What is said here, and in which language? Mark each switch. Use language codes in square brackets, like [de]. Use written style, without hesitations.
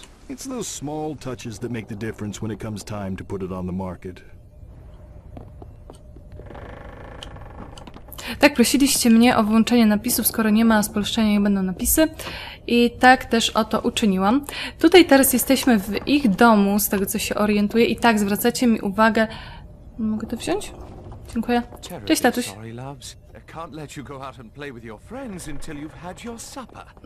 [en] It's those small touches that make the difference when it comes time to put it on the market. [pl] Tak, prosiliście mnie o wyłączenie napisów, skoro nie ma spolszczenia, nie będą napisy. I tak też oto uczyniłam. Tutaj teraz jesteśmy w ich domu, z tego co się orientuję. I tak, zwracacie mi uwagę... Mogę to wziąć? Dziękuję. Cześć, tatuś. [en] Can't let you go out and play with your friends until you've had your supper.